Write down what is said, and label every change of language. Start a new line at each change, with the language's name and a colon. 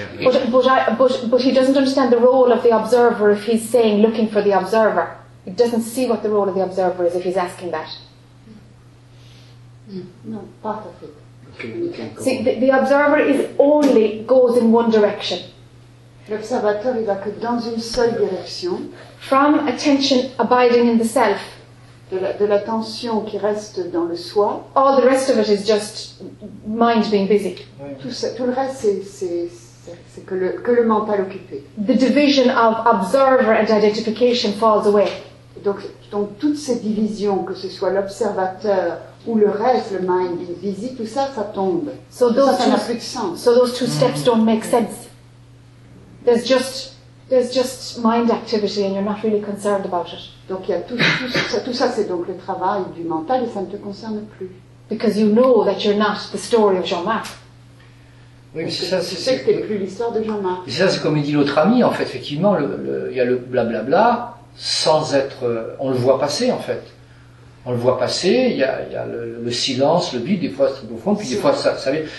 English: But he doesn't understand the role of the observer if he's saying looking for the observer. He doesn't see what the role of the observer is if he's asking that. No, part of it. Okay. See, the observer is only goes in one direction.
French: L'observateur il va que dans une seule direction.
English: From attention abiding in the self.
French: De l'attention qui reste dans le soi.
English: All the rest of it is just mind being busy.
French: Oui. Tout le reste c'est que le mental occupé.
English: The division of observer and identification falls away.
French: Donc toutes ces divisions, que ce soit l'observateur ou le reste,
English: le mind being busy,
French: tout ça, ça tombe.
English: So
French: tout ça n'a plus de sens.
English: So those two steps don't make sense. There's just mind activity and you're not really concerned about it.
French: Donc il y a tout ça c'est donc le travail du mental et ça ne te concerne plus.
English: Because you know that you're not the story of Jean-Marc.
French: Oui, mais c'est ça, tu sais que t'es plus l'histoire de Jean-Marc. Mais c'est ça, c'est comme il dit l'autre ami, en fait, effectivement, il y a le blablabla, sans être, on le voit passer, en fait. On le voit passer, il y a le silence, le vide, des fois c'est profond, puis des fois ça vient.